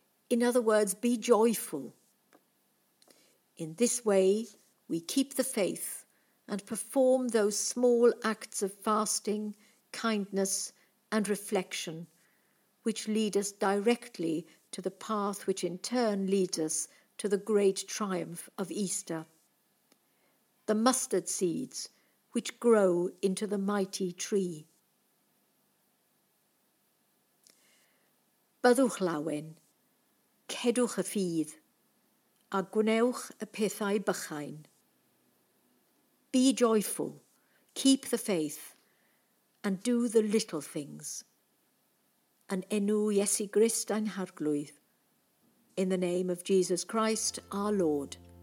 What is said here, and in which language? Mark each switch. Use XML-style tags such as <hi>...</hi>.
<en>In other words, be joyful. In this way, we keep the faith and perform those small acts of fasting, kindness, and reflection, which lead us directly to the path which in turn leads us to the great triumph of Easter, the mustard seeds which grow into the mighty tree.</en> <cy>Byddwch lawen, cedwch y ffydd, a gwnewch y pethau bychain.</cy> <en>Be joyful, keep the faith, and do the little things.</en> <cy>An enw Iesu Grist ein harglwydd.</cy> <en>In the name of Jesus Christ, our Lord.</en>